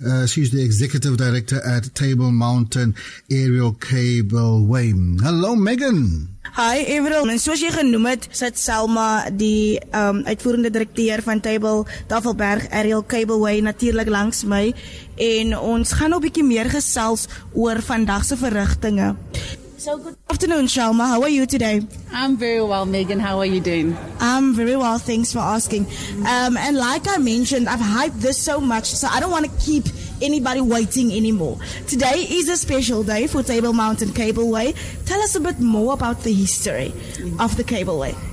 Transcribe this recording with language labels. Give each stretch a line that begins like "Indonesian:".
English: She's the executive director at Table Mountain Aerial Cableway. Hello Megan.
Afrikaans: Hi Avril, en soos jy genoem het, sit Selma die uitvoerende direkteur van Table Tafelberg Aerial Cableway natuurlik langs my en ons gaan nou 'n bietjie meer gesels oor vandag se verrigtinge.
English: So good afternoon, Selma. How are you today? I'm very well, Megan. How are you doing? I'm very well, thanks for asking. And like I mentioned, I've hyped this so much, so I don't want to keep anybody waiting anymore. Today is a special day for Table Mountain Cableway. Tell us a bit more about the history of the cableway.